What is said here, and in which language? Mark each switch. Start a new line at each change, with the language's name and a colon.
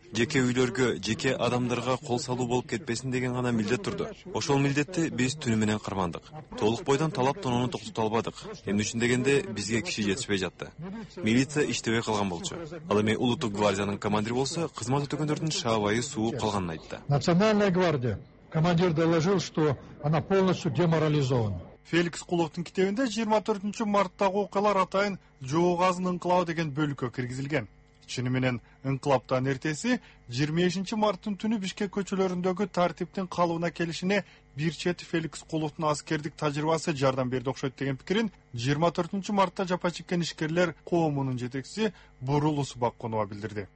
Kyrgyz: Жеке үйлөргө, жеке адамдарга кол салуу болуп кетпесин деген гана милдет турду. Ошол милдетти биз түнү менен кармандык. Толук бойдон талап тонону токтото албадык. Эмне үчүн дегенде бизге киши жетишпей жатты. Милиция иштебей калган болчу. Ал эми улуттук гвардиянын командири болсо, кызмат өтөгөндөрдүн шаабайы сууп калганын айтты.
Russian: Национальная гвардия. Командир доложил, что она полностью деморализована.
Kyrgyz: Феликс Куловтун китебинде 24 марттагы окуялар атайын Жоогазын ынкылабы деген бөлүккө киргизилген. Чыны менен ынкылаптан эртеси 25 марттын түнү Бишкек көчөлөрүндөгү тартиптин калыбына келишине бир чети Феликс Куловтун аскердик тажрыйбасы жардам берди окшойт деген пикирин 24 мартта жапа чеккен ишкерлер коомунун жетекчиси Бурул Усубак Конова билдирди.